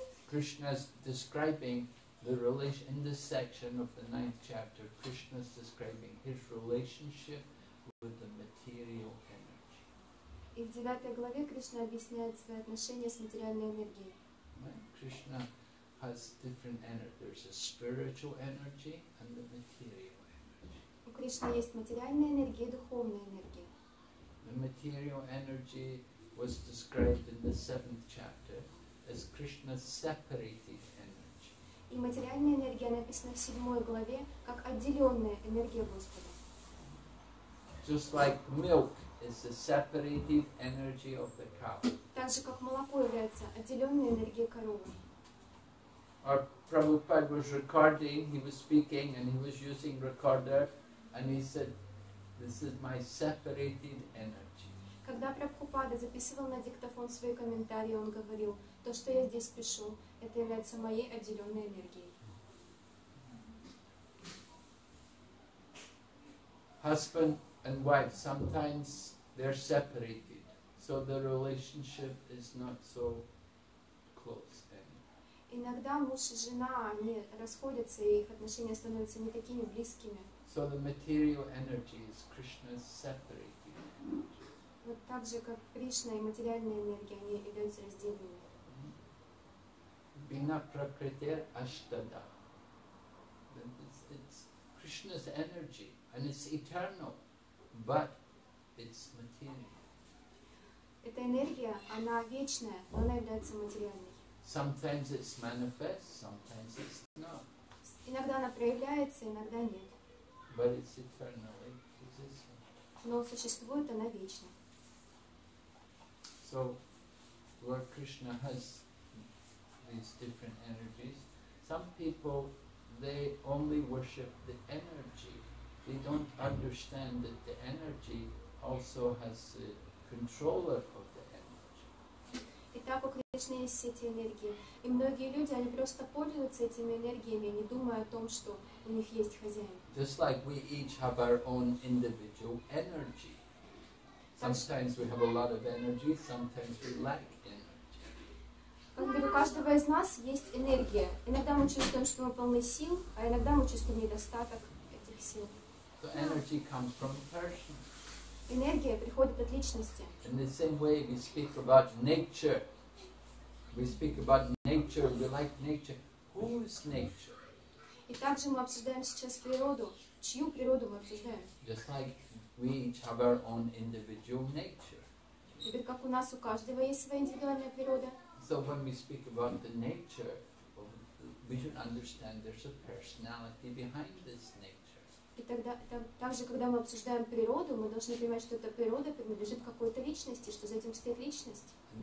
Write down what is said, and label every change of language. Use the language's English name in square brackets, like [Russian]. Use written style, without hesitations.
[English] Krishna is describing the relation in this section of the ninth chapter. Krishna is describing his relationship with the material energy. [Russian] И в девятой главе Кришна объясняет свои отношения с материальной энергией. [English] Krishna has different energy. There's a spiritual energy and the material energy. [Russian] У Кришны есть материальная энергия и духовная энергия. [English] The material energy was described in the seventh chapter as Krishna's separated energy. [Russian] И материальная энергия написана в седьмой главе как отделенная энергия Господа. [English] Just like milk is the separated energy of the cow. [Russian] Так же как молоко является отделенной энергией коровы. [English] Or Prabhupada was recording, he was speaking and he was using recorder and he said, this is my separated energy. [Russian] Когда Прабхупада записывал на диктофон свои комментарии, он говорил, то, что я здесь пишу, это является моей отделенной энергией. [English] Husband and wife, sometimes they're separated, so the relationship is not so close anymore. [Russian] Иногда муж и жена, они расходятся, и их отношения становятся не такими близкими. [English] So the material energy is Krishna's separated. [Russian] Вот так же, как Кришна и материальная энергия, они являются разделенными. [Sanskrit] Бина пракритер аштада. [English] It's Krishna's energy. And it's eternal, but it's material. [Russian] Эта энергия, она вечная, но она является материальной. [English] Sometimes it's manifest, sometimes it's not. [Russian] Иногда она проявляется, иногда нет. [English] But it's eternal, it exists. [Russian] Но существует она вечно. [English] So, Lord Krishna has these different energies. Some people, they only worship the energy. They don't understand that the energy also has the controller of the energy. [Russian] Итак, у Кришны есть сети энергии, и многие люди, они просто пользуются этими энергиями, не думая о том, что у них есть хозяин. [English] Just like we each have our own individual energy. Sometimes we have a lot of energy, sometimes we lack energy. [Russian] Как бы у каждого из нас есть энергия. Иногда мы чувствуем, что мы полны сил, а иногда мы чувствуем недостаток этих сил. [English] So energy comes from a person. [Russian] Энергия приходит от личности. [English] In the same way we speak about nature. We speak about nature, we like nature. Who is nature? [Russian] И также мы обсуждаем сейчас природу. Чью природу мы обсуждаем? [English] Just like we each have our own individual nature. [Russian] Теперь как у нас у каждого есть своя индивидуальная природа. [English] So when we speak about the nature, we should understand there's a personality behind this nature. [Russian] И тогда, также, когда мы обсуждаем природу, мы должны понимать, что эта природа принадлежит какой-то личности, что за этим стоит личность.